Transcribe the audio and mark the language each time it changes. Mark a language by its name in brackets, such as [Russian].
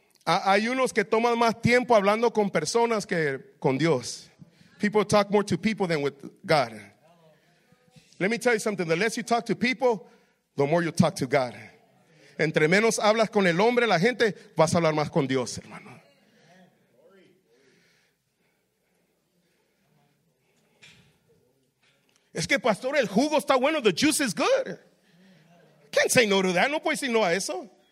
[Spanish] Hay unos que toman más tiempo hablando con personas que con Dios. [English] People talk more to people than with God. Let me tell you something. The less you talk to people, the more you talk to God. [Spanish] Entre menos hablas con el hombre, la gente, vas a hablar más con Dios, hermano. Es que pastor, el jugo está bueno, [English] the juice is good. Can't say no to that, [Spanish] no puedes decir no a eso.